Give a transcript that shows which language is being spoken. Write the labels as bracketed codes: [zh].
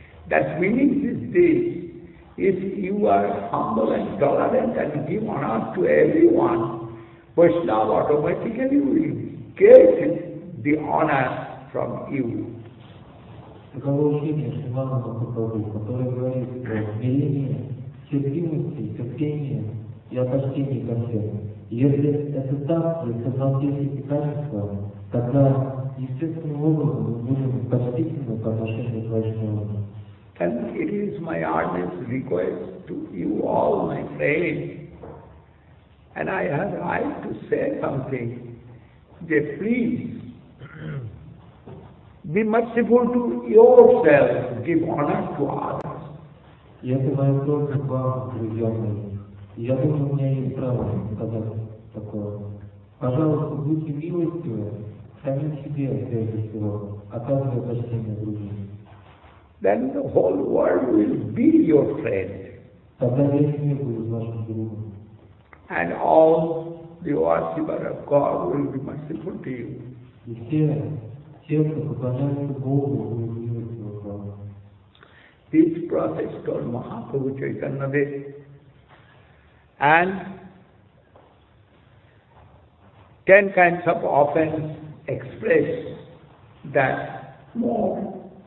[en] That meaning is this, if you are humble and tolerant and give honor to everyone, Vaishnava automatically will get the honor from you. [ru] Таково учение Шримана Махапрабху, которое говорит о смирении, терпимости, терпении, и опочтение ко всем. Если это так, то это все эти качества, тогда естественным образом мы будем почтительны по отношению к Вайшнавам. [en] And it is my earnest request to you all, my friends, and I have right to say something, that please be merciful to yourself, give honor to others. [ru] И это моя просьба к вам, друзья мои. Я думаю, у меня есть право сказать такое. Пожалуйста, будьте милостивы, сами себе, прежде всего, оказывая почтение другим. [en] Then the whole world will be your friend. [ru] Тогда весь мир будет вашим другом. [en] And all the worshippers of God will be merciful to you. [ru] И все, кто поклоняется Богу, будут милостивы к вам. [en] This process called Mahaprabhu Chaitanya Dev. And 10 kinds of offense express that more,